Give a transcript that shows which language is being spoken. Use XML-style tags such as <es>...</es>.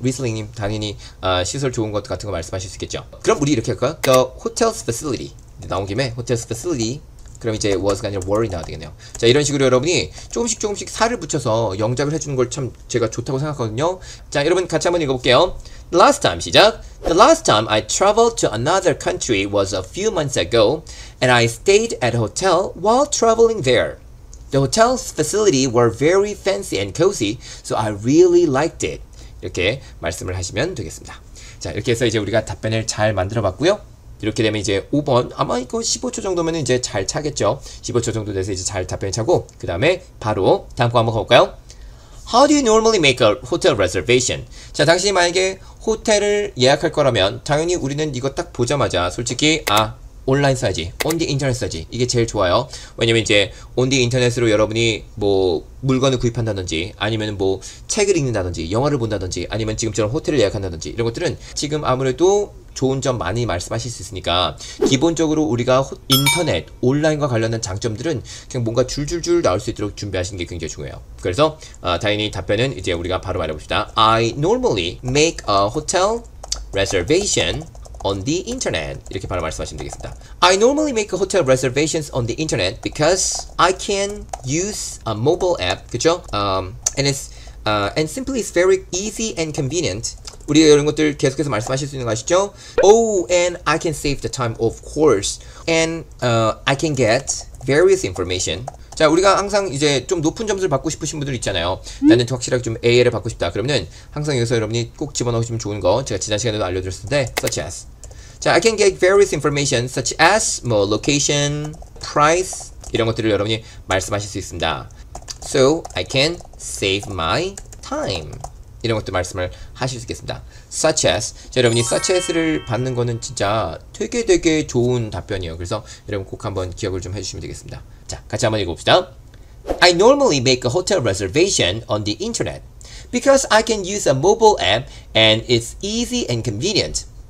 <ko>리슬링님, 당연히 시설 좋은 것 같은 거 말씀하실 수 있겠죠. 그럼 우리 이렇게 할까요?</ko> <en>The hotel's facility.</en> <ko>나온 김에 hotel's facility 그럼 이제 was가 아니라 were이 나와야 되겠네요. 자, 이런 식으로 여러분이 조금씩 살을 붙여서 영작을 해주는 걸참 제가 좋다고 생각하거든요. 자, 여러분 같이 한번 읽어볼게요.</ko> <en>The last time 시작. The last time I traveled to another country was a few months ago and I stayed at a hotel while traveling there. The hotel's facility were very fancy and cozy so I really liked it.</en> <ko>이렇게 말씀을 하시면 되겠습니다. 자, 이렇게 해서 이제 우리가 답변을 잘 만들어 봤고요. 이렇게 되면 이제 5번, 아마 이거 15초 정도면 이제 잘 차겠죠? 15초 정도 돼서 이제 잘 답변이 차고, 그 다음에 바로 다음 거 한번 가볼까요?</ko> <en>How do you normally make a hotel reservation?</en> <ko>자, 당신이 만약에 호텔을 예약할 거라면, 당연히 우리는 이거 딱 보자마자, 솔직히, 온라인 써야지. 온디 인터넷 써야지. 이게 제일 좋아요. 왜냐면 이제, 온디 인터넷으로 여러분이 뭐, 물건을 구입한다든지, 아니면 뭐, 책을 읽는다든지, 영화를 본다든지, 아니면 지금처럼 호텔을 예약한다든지, 이런 것들은 지금 아무래도 좋은 점 많이 말씀하실 수 있으니까 기본적으로 우리가 인터넷 온라인과 관련된 장점들은 그냥 뭔가 줄줄줄 나올 수 있도록 준비하시는 게 굉장히 중요해요. 그래서 당연히 답변은 이제 우리가 바로 말해봅시다.</ko> <en>I normally make a hotel reservation on the internet.</en> <ko>이렇게 바로 말씀하시면 되겠습니다.</ko> <en>I normally make a hotel reservations on the internet because I can use a mobile app.</en> <ko>그쵸?</ko> <en>And simply it's very easy and convenient.</en> <ko>우리가 이런 것들 계속해서 말씀하실 수 있는 거 아시죠?</ko> <en>Oh, and I can save the time, of course. And I can get various information.</en> <ko>자, 우리가 항상 이제 좀 높은 점수를 받고 싶으신 분들 있잖아요. 나는 확실하게 좀 A를 받고 싶다. 그러면은 항상 여기서 여러분이 꼭 집어넣으시면 좋은 거 제가 지난 시간에도 알려드렸었는데, such as.</ko> <en>자, I can get various information, such as, 뭐, location, price.</en> <ko>이런 것들을 여러분이 말씀하실 수 있습니다.</ko> <en>So I can save my time.</en> <ko>이런 것도 말씀을 하실 수 있겠습니다. Such as. 자, 여러분이 such as를 받는 거는 진짜 되게 되게 좋은 답변이에요. 그래서 여러분 꼭 한번 기억을 좀 해주시면 되겠습니다. 자, 같이 한번 읽어봅시다.</ko> <en>I normally make a hotel reservation on the internet because I can use a mobile app and it's easy and convenient.</en>